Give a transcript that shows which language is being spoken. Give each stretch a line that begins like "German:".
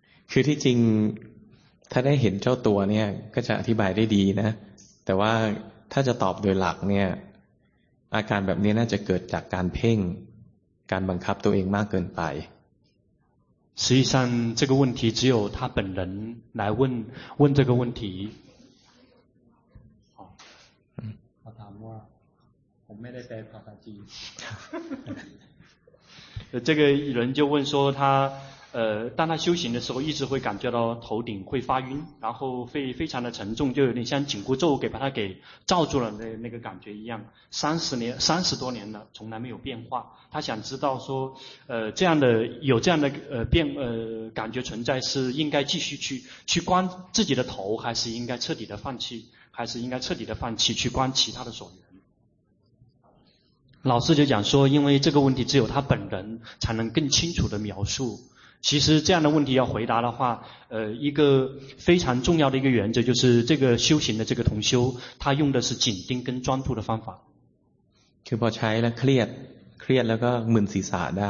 Thai: คือที่จริงถ้าได้เห็นเจ้าตัวเนี่ยก็จะอธิบายได้ดีนะแต่ว่าถ้าจะตอบโดยหลักเนี่ยอาการแบบนี้น่าจะเกิดจากการเพ่งการบังคับตัวเองมากเกินไป
Chinese: 实际上这个问题只有他本人来问这个问题我没得带跑台机。这个人就问说他当他修行的时候一直会感觉到头顶会发晕，然后会非常的沉重，就有点像紧箍咒给把他给罩住了那个感觉一样。三十多年了从来没有变化。他想知道说这样的有这样的感觉存在，是应该继续去观自己的头，还是应该彻底的放弃，还是应该彻底的放弃去观其他的所缘。老师就讲说，因为这个问题只有他本人才能更清楚的描述。其实这样的问题要回答的话，一个非常重要的一个原则就是，这个修行的这个同修，他用的是紧盯跟专注的方法。
Thai: คือพอใช้แล้วเครียดแล้วก็มึนศีรษะได